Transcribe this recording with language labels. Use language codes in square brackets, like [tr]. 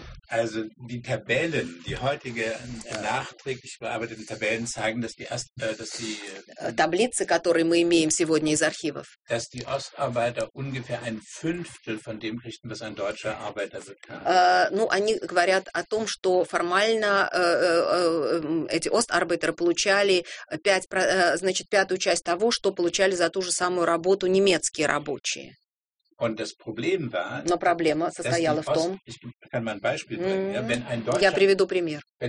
[de] Also die Tabellen, die heutige nachträglich bearbeiteten Tabellen zeigen, dass die [ru] Таблицы, которые мы имеем сегодня из архивов, [de] dass die Ostarbeiter ungefähr ein Fünftel von dem kriegten, was ein deutscher Arbeiter bekam. [ru] Ну, они говорят о том, что формально эти остарбайтеры получали пятую часть того, что получали за ту же самую работу немецкие рабочие. [de] Und das Problem war, [ru] но проблема состояла в том, я приведу пример.